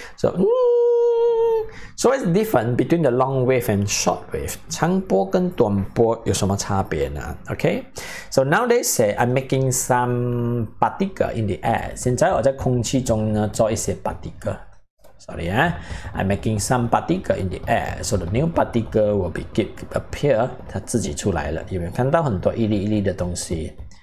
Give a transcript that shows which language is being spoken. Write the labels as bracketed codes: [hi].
[en] So,So what's the difference between the long wave and short wave? [zh] 长波跟短波有什么差别呢? [en] Okay? So now they say I'm making some particle in the air. [zh] 现在我在空气中呢做一些 particle. [en] Sorry, I'm making some particle in the air. So the new particle will be appear. [zh] 它自己出来了。有没有看到很多一粒一粒的东西?